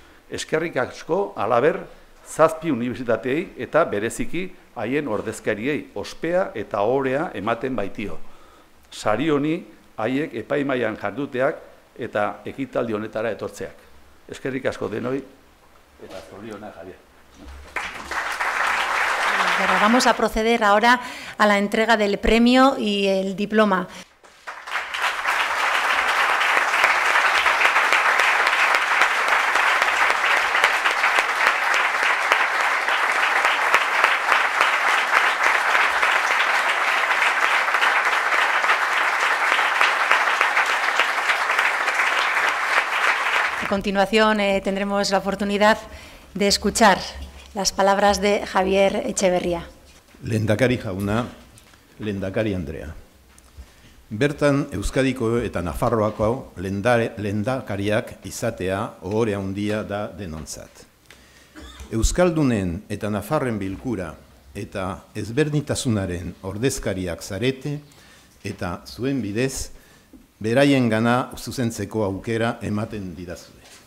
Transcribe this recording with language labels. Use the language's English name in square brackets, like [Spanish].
[Basque] Eskerrik asko, alaber, zazpi unibertsitateei eta bereziki haien ordezkariei ospea eta ohorea ematen baitio. Sari honi haiek epaimaian jarduteak eta ekitaldi honetara etortzeak. Eskerrik asko denoi eta zoriona Javier. [Spanish] Pero vamos a proceder ahora a la entrega del premio y el diploma. A continuación tendremos la oportunidad de escuchar las palabras de Javier Echeverría. [Basque] Lehendakari jauna, lehendakari Andrea. Bertan Euskadiko eta Nafarroako lehendakariak izatea ohore handia da denontzat. Euskaldunen eta Nafarren bilkura eta ezberdintasunaren ordezkariak zarete eta zuen bidez beraien gana zuzentzeko aukera ematen didazue.